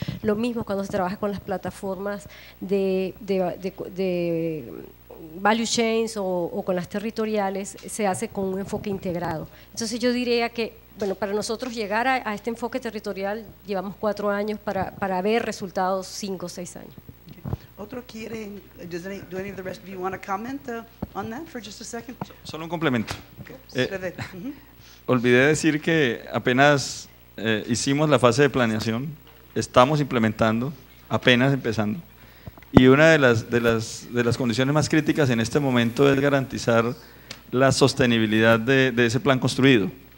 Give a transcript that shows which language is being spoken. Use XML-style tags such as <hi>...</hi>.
<es>Lo mismo cuando se trabaja con las plataformas de value chains o con las territoriales, se hace con un enfoque integrado. Entonces yo diría que, bueno, para nosotros llegar a este enfoque territorial llevamos 4 años, para ver resultados 5 o 6 años. Okay. ¿Otro quiere?</es> <en>Do any of the rest of you want to comment on that for just a second?</en> <es>Solo un complemento. Okay. Olvidé decir que apenas hicimos la fase de planeación, estamos implementando, apenas empezando. Y una de las condiciones más críticas en este momento es garantizar la sostenibilidad de ese plan construido.</es>